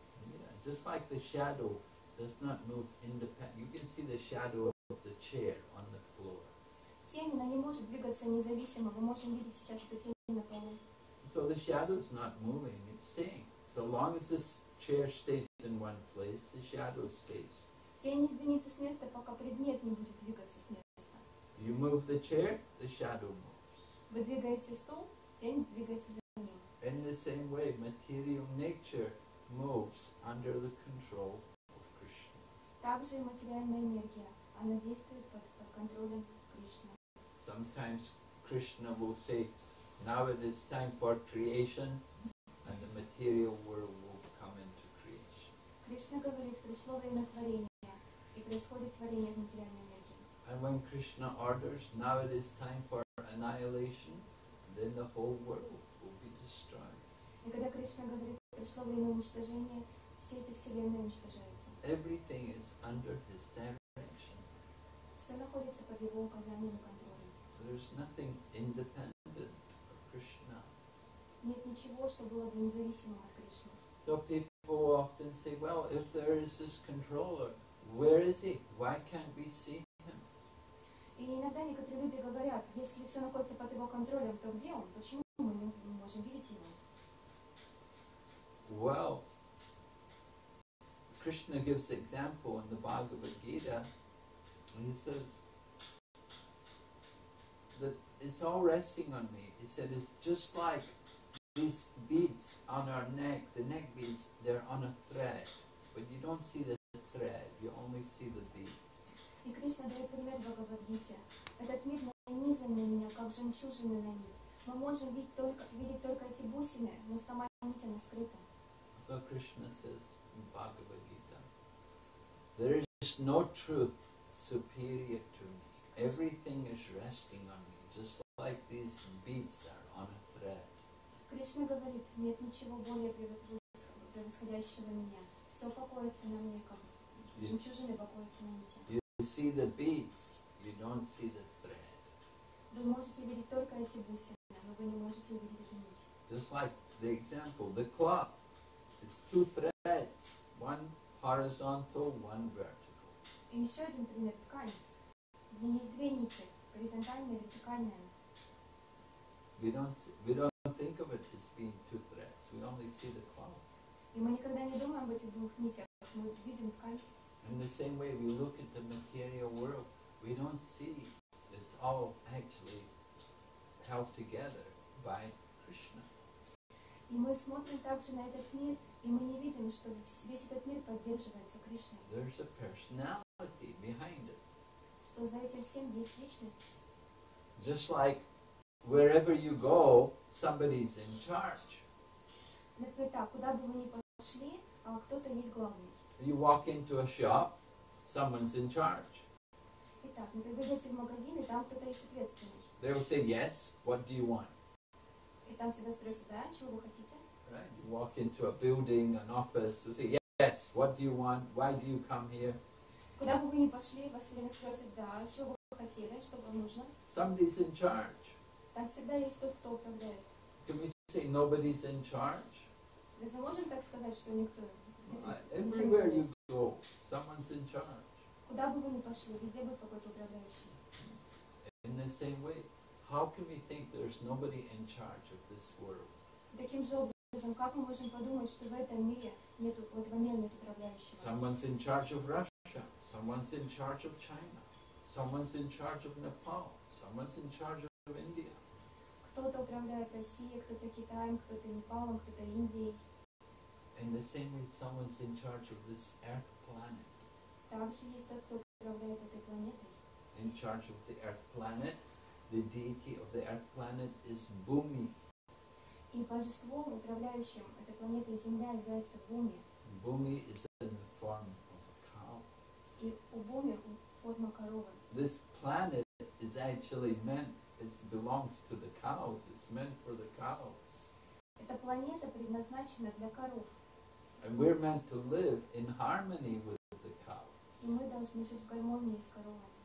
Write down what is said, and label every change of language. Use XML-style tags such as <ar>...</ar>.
<en>Yeah, just like the shadow does not move independently. You can see the shadow of the chair on the floor.</en> <ru>Тень, она не может двигаться независимо. Мы можем видеть сейчас эту тень на полу.</ru> <en>So the shadow is not moving, it's staying. So long as this chair stays in one place, the shadow stays.</en> <ru>Тень не сдвинется с места, пока предмет не будет двигаться с места.</ru> <en>You move the chair, the shadow moves.</en> <ru>Вы двигаете стул?</ru> <en>In the same way, material nature moves under the control of Krishna.</en> <ru>Также материальная энергия, она действует под контролем Кришны.</ru> <en>Sometimes Krishna will say, "Now it is time for creation," and the material world will come into creation.</en> <ru>Кришна говорит, пришло время творения, и происходит творение в материальной энергии.</ru> <en>And when Krishna orders, "Now it is time for annihilation," then the whole world will be destroyed.</en> <ru>И когда Кришна говорит, пришло время уничтожения, все эти вселенные уничтожаются.</ru> <en>Everything is under his direction.</en> <ru>Все находится под его указанием и контролем.</ru> <en>There is nothing independent of Krishna.</en> <ru>Нет ничего, что было бы независимым от Кришны.</ru> <en>So people often say, well, if there is this controller, where is he? Why can't we see him?</en> <ru>И иногда некоторые люди говорят, если все находится под его контролем, то где он? Почему мы не можем видеть его?</ru> <en>Well, Krishna gives example in the Bhagavad Gita, and he says that it's all resting on me. He said it's just like these beads on our neck, the neck beads, they're on a thread, but you don't see the thread, you only see the beads.</en> <ru>И Кришна дает пример Бхагавад Гите. Этот мир нанизан на меня, как жемчужины на нить. Мы можем видеть только эти бусины, но сама нить она скрыта.</ru> <en>So Krishna says in Bhagavad Gita, there is no truth superior to me. Everything is resting on me, just like these beads are on a thread.</en> <ru>Кришна говорит, нет ничего более превосходящего меня. Все покоится на мне, как жемчужины покоятся на нити.</ru> <en>You see the beads, you don't see the thread.</en> <ru>Вы можете видеть только эти бусины, но вы не можете увидеть эту нить.</ru> <en>Just like the example, the cloth. It's two threads, one horizontal, one vertical.</en> <ru>И еще один пример, ткань. В ней есть две нити, горизонтальная и вертикальная.</ru> <en>We don't think of it as being two threads. We only see the cloth.</en> <ru>И мы никогда не думаем об этих двух нитях, мы видим ткань.</ru> <en>In the same way, we look at the material world. We don't see it's all actually held together by Krishna.</en> <ru>И мы смотрим также на этот мир, и мы не видим, что весь этот мир поддерживается Кришной.</ru> <en>There's a personality behind it.</en> <ru>Что за этим всем есть личность.</ru> <en>Just like wherever you go, somebody's in charge.</en> <ru>Например, так, куда бы вы ни пошли, кто-то есть главный.</ru> <en>You walk into a shop, someone's in charge.</en> <ru>Итак, например, вы идете в магазин, и там кто-то есть ответственный.</ru> <en>They will say, yes, what do you want?</en> <ru>И там всегда спросят, да, чего вы хотите?</ru> <en>Right. You walk into a building, an office, and say, yes, what do you want? Why do you come here?</en> <ru>Куда бы вы ни пошли, вас всегда спросят, да, чего вы хотели, что вам нужно?</ru> <en>Somebody's in charge.</en> <ru>Там всегда есть тот, кто управляет.</ru> <en>Can we say nobody's in charge?</en> <ru>Мы можем так сказать, что никто.</ru> <en>Everywhere you go, someone's in charge.</en> <ru>Куда бы вы ни пошли, везде будет какой-то управляющий.</ru> <en>In the same way. How can we think there's nobody in charge of this world?</en> <ru>Таким же образом, как мы можем подумать, что в этом мире нету управляющего?</ru> <en>Someone's in charge of Russia. Someone's in charge of China. Someone's in charge of Nepal. Someone's in charge of India.</en> <ru>Кто-то управляет Россией, кто-то Китаем, кто-то Непалом, кто-то Индией.</ru> <en>In the same way, someone's in charge of this Earth planet.</en> <ru>Также есть тот, кто управляет этой планетой.</ru> <en>In charge of the Earth planet. The deity of the earth planet is Bhumi.</en> <ru>И божество, управляющим этой планетой Земля, является Бхуми.</ru> <en>Bhumi is in the form of a cow.</en> <ru>И у Бхуми форма коровы.</ru> <en>This planet is actually meant, it belongs to the cows, it's meant for the cows.</en> <ru>Эта планета предназначена для коров.</ru> <en>And we're meant to live in harmony with the cows.</en> <ru>И мы должны жить в гармонии с коровами.</ru>